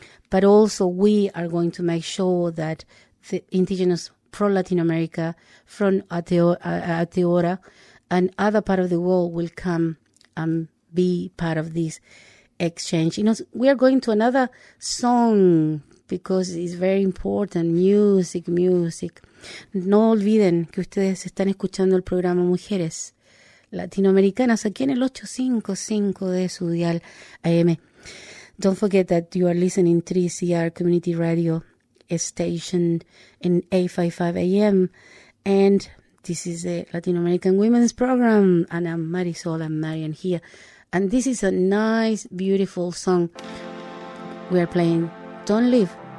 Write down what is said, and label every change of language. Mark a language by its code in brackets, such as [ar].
[en] But also we are going to make sure that the Indigenous pro-Latin America from Aotearoa and other part of the world will come and be part of this exchange. You know, we are going to another song because it's very important. Music, music. [es] No olviden que ustedes están escuchando el programa Mujeres Latinoamericanas aquí en el 855 de su dial AM. [en] Don't forget that you are listening to 3CR Community Radio Station in 855 AM. And this is the Latin American Women's Program. And I'm Marisol and Marian here. And this is a nice, beautiful song we are playing. Don't leave.